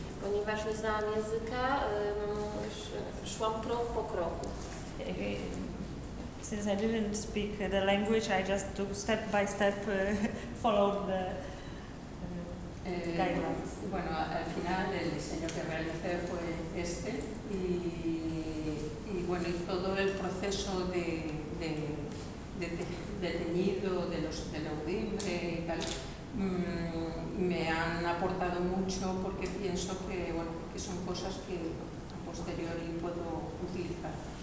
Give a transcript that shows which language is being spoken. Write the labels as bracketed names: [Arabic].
[Polish] Ponieważ nie znałam języka, szłam krok po kroku. [English] Since I didn't speak the language, I just took step by step, followed the guidelines. [Spanish] Bueno, al final el diseño que realicé fue este, y bueno, y todo el proceso de teñido de la urdimbre y tal, me han aportado mucho porque pienso que, bueno, que son cosas que a posteriori puedo utilizar.